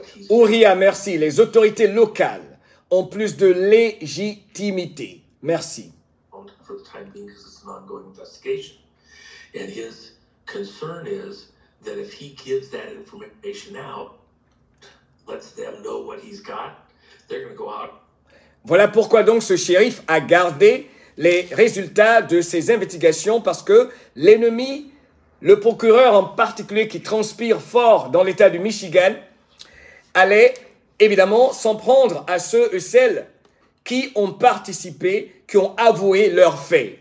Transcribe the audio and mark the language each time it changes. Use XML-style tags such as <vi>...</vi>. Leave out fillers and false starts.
<fr>Ouria, merci. Les autorités locales ont plus de légitimité. Merci.</fr> <en>For the time being, because it's an ongoing investigation. And his concern is that if he gives that information out, lets them know what he's got, they're going to go out.</en> <fr>Voilà pourquoi donc ce shérif a gardé les résultats de ses investigations, parce que l'ennemi, le procureur en particulier qui transpire fort dans l'état du Michigan, allait évidemment s'en prendre à ceux et celles qui ont participé, qui ont avoué leurs faits.</fr>